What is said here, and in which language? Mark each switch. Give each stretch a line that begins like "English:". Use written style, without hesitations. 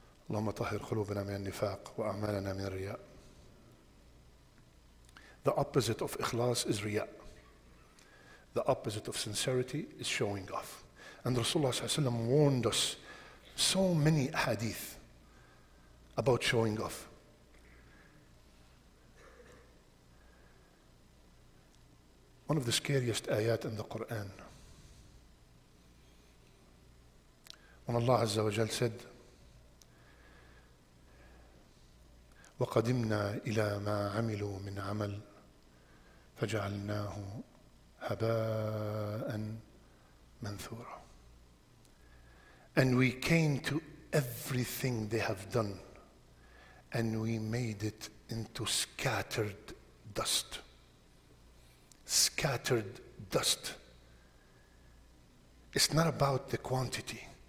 Arabic: اللهم طهر قلوبنا من النفاق وأعمالنا من الرياء.
English: The opposite of ikhlas is riya. The opposite of sincerity is showing off. And Rasulullah صلى الله عليه وسلم warned us so many hadith about showing off. One of the scariest ayat in the Quran.
Arabic: When Allah عز وجل said, وقدمنا إلى ما عملوا من عمل فجعلناه هباء منثورا.
English: And we came to everything they have done and we made it into scattered dust. Scattered dust. It's not about the quantity.